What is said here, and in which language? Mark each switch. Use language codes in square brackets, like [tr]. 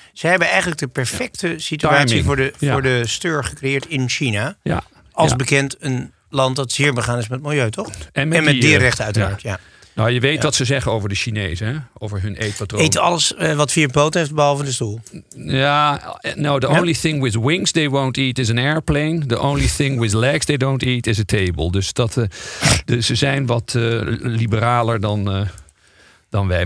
[nl] Ze hebben eigenlijk de perfecte situatie voor de steur gecreëerd in China. Ja. Als bekend een land dat zeer begaan is met milieu, toch? En met dierenrechten uiteraard, ja. Nou, je weet wat ze zeggen over de Chinezen, hè? Over hun eetpatroon. Eet alles wat vier poten heeft, behalve de stoel. [en] Ja, no, the only thing with wings they won't eat is an airplane. The only thing with legs they don't eat is a table. [nl] Dus dat, ze zijn wat liberaler dan wij.